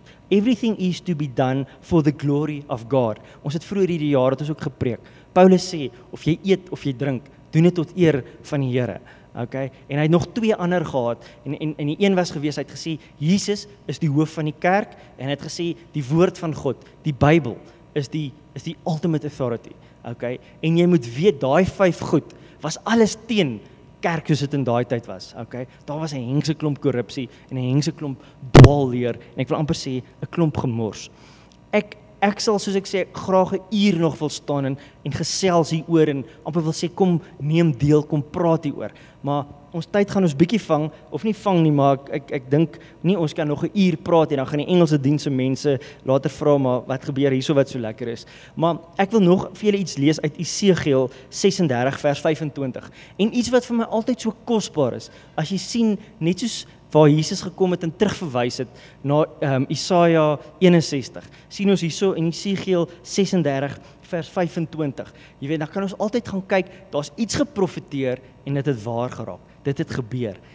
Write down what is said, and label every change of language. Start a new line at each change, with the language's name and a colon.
English: Everything is to be done for the glory of God.
Afrikaans: Ons het vroeër hierdie jaar het ons ook gepreek. Paulus sê of jy eet of jy drink, doen dit tot eer van die Here. Okay? En hy het nog twee ander gehad en die een was gewees, hy het gesê Jesus is die hoof van die kerk en hy het gesê die woord van God, die Bybel is die
English: ultimate authority.
Afrikaans: Okay? En jy moet weet daai vyf goed was alles teen kerk soos dit in daai tyd was. Okay? Daar was 'n hengse klomp korrupsie en 'n hengse klomp dwaalleer en ek wil amper sê 'n klomp gemors. Ek sal soos ek sê graag 'n uur nog wil staan en gesels hier oor en amper wil sê kom neem deel, kom praat hier oor. Maar ons tyd gaan ons bietjie vang of nie vang nie, maar ek dink nie ons kan nog 'n uur praat en dan gaan die Engelse diens se mense later vra maar wat gebeur hierso wat so lekker is. Maar ek wil nog vir julle iets lees uit Esegiël 36 vers 25. En iets wat vir my altyd so kosbaar is, as jy sien net soos waar Jesus gekom het en terugverwys het na Isaia 61. Sien ons hierso in Esegiël 36 vers 25. Jy weet, dan kan ons altyd gaan kyk, daar's iets geprofeteer en dit het waar geraak. Dit het gebeur.